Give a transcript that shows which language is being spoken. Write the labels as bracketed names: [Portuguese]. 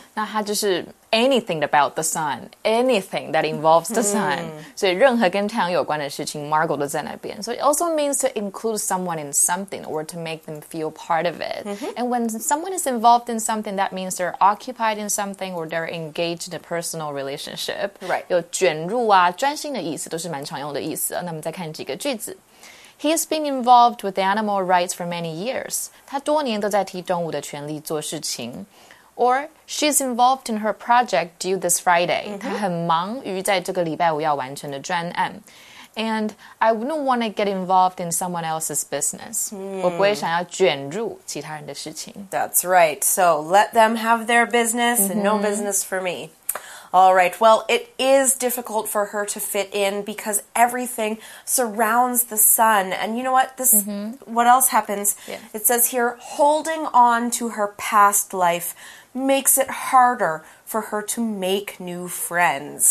[Chinese] 那它就是 [English] anything about the sun, anything that involves the sun. [Chinese] 所以任何跟太阳有关的事情 [English] ,Margo [Chinese] 都在那边。 [English] So it also means to include someone in something or to make them feel part of it.、Mm-hmm. And when someone is involved in something, that means they're occupied in something or they're engaged in a personal relationship. Right. [Chinese] 有卷入啊专心的意思都是蛮常用的意思哦。那我们再看几个句子。 [English] He has been involved with animal rights for many years. [Chinese] 他多年都在替动物的权利做事情。 [English] Or, she's involved in her project due this Friday. 她、mm-hmm. [Chinese] 很忙于在这个礼拜五要完成的专案。 [English] And, I wouldn't want to get involved in someone else's business.、Mm. [Chinese] 我不会想要卷入其他人的事情。 [English] That's right. So, let them have their business、mm-hmm. and no business for me. All right, well, it is difficult for her to fit in because everything surrounds the sun. And you know what? This,、mm-hmm. What else happens?、 Yeah. It says here, holding on to her past life makes it harder for her to make new friends.